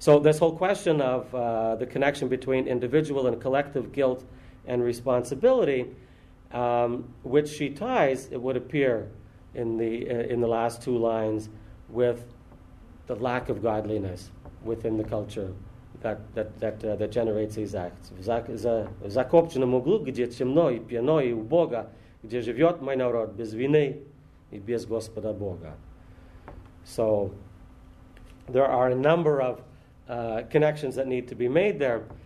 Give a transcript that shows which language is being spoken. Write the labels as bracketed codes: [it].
[en] So this whole question of the connection between individual and collective guilt and responsibility, which she ties, it would appear, in the last two lines, with the lack of godliness within the culture that generates these acts. [ru] В закопченном углу, где темно и пьяно и убого, где живет мой народ без вины и без Господа Бога. [en] So there are a number of connections that need to be made there.